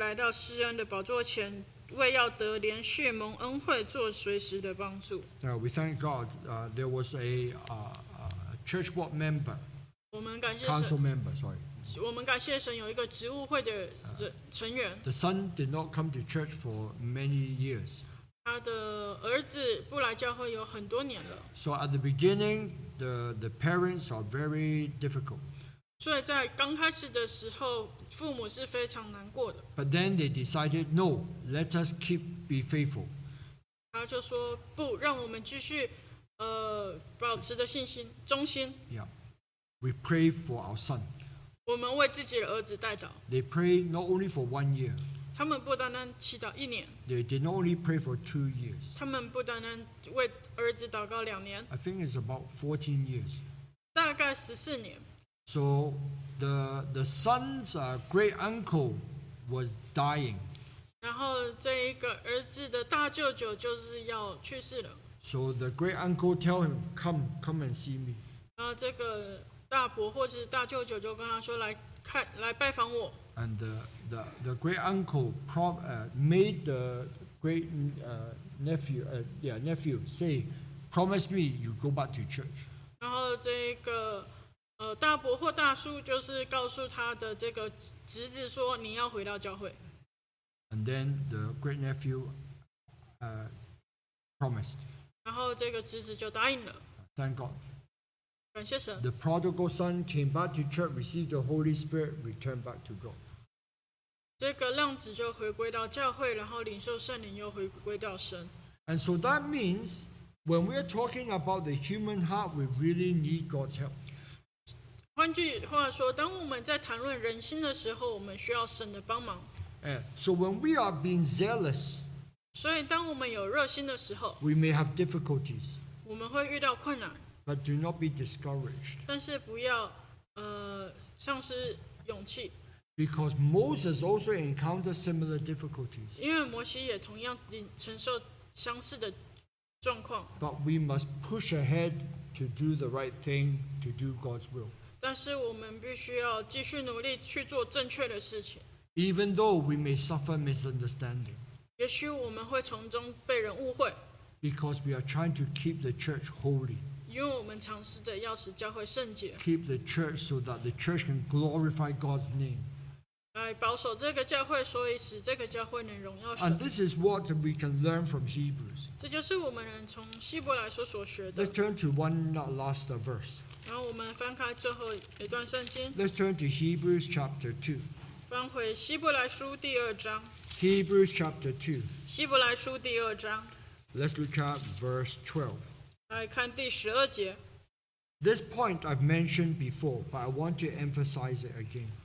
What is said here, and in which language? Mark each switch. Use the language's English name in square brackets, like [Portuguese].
[Chinese] 所以我们只当坦然无惧地来到施恩的宝座前。为要得连续蒙恩惠做随时的帮助。 [English] Now we thank God, there was a church board member, [Chinese] 我们感谢神, [English] council member, sorry. [Chinese] 我们感谢神有一个职务会的成员。 [English] The son did not come to church for many years. [Chinese] 他的儿子不来教会有很多年了。 [English] So at the beginning, the parents are very difficult. [Chinese] 所以在刚开始的时候, 父母是非常难过的。 [English] But then they decided, no, let us keep be faithful. [Chinese] 他就说, 不, 让我们继续, 保持着信心, 忠心。 [English] Yeah. We pray for our son. [Chinese] 我们为自己的儿子代祷。 [English] They pray not only for 1 year. [Chinese] 他们不单单祈祷一年。 [English] They did not only pray for 2 years. [Chinese] 他们不单单为儿子祷告两年。 [English] I think it's about 14 years. [Chinese] 大概14年。 [English] So the son's great uncle was dying. [Chinese] 然后这一个儿子的大舅舅就是要去世了。 [English] So the great uncle tell him, come and see me. [Chinese] 然后这个大伯或是大舅舅就跟他说来看来拜访我。 [English] And the great uncle made the great nephew say, promise me you go back to church. [Chinese] 然后这一个 大伯或大叔就是告诉他的这个侄子说你要回到教会。 [English] And then the great nephew promised. [Chinese] 然后这个侄子就答应了。 [English] Thank God. [Chinese] 感谢神。 [English] The prodigal son came back to church, received the Holy Spirit, returned back to God. [Chinese] 这个浪子就回归到教会, 然后领受圣灵, 又回归到神。 [English] And so that means when we are talking about the human heart, we really need God's help. [Chinese] 换句话说, 当我们在谈论人心的时候, 我们需要神的帮忙。 [English] So when we are being zealous, [Chinese] 所以当我们有热心的时候, [English] we may have difficulties. [Chinese] 我们会遇到困难, [English] but do not be discouraged. [Chinese] 但是不要, 丧失勇气。 [English] Because Moses also encountered similar difficulties. [Chinese] 因为摩西也同样承受相似的状况。 [English] But we must push ahead to do the right thing, to do God's will. [Chinese] 但是我们必须要继续努力去做正确的事情。 [English] Even though we may suffer misunderstanding. [Chinese] 也许我们会从中被人误会。 [English] Because we are trying to keep the church holy. [Chinese] 因为我们尝试着要使教会圣洁。 [English] Keep the church so that the church can glorify God's name. [Chinese] 保守这个教会, [English] and this is what we can learn from Hebrews. [Chinese] 这就是我们从希伯来所学的。 [English] Let's turn to one last verse. [Chinese] 然后我们翻开最后一段圣经。 [English] Let's turn to Hebrews chapter 2. [Chinese] 翻回希伯来书第二章。 [English] Hebrews chapter 2. [Chinese] 希伯来书第二章。 [English] Let's look at verse 12. [Chinese] 来看第十二节。 [English] This point I've mentioned before, but I want to emphasize it again.